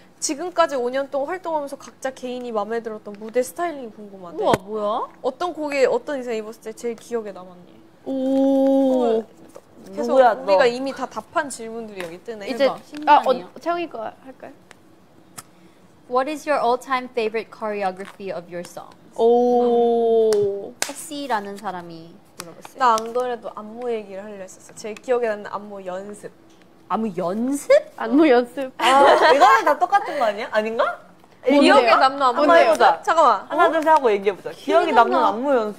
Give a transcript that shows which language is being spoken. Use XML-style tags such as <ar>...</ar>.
<ko>지금까지 5년 동안 활동하면서 각자 개인이 마음에 들었던 무대 스타일링이 궁금한데. 우와, 뭐야? 어떤 곡에 어떤 의상 입었을 때 제일 기억에 남았니? 오. 계속 누구야, 우리가 너. 이미 다 답한 질문들이 여기 뜨네. 이제 아, 채영이 거 할까요?</ko> <en>What is your all-time favorite choreography of your songs?</en> <ko>오. S.C.라는 사람이 물어봤어요. 나 안 그래도 안무 얘기를 하려 했었어. 제일 기억에 남는 안무 연습. 안무 연습? 안무 연습. 아, 이거는 다 똑같은 거 아니야? 아닌가? 기억에 남는 안무 연습. 해보자. 잠깐만. 하나, 둘, 셋 하고 얘기해보자. 기억에 남는 안무 연습.</ko>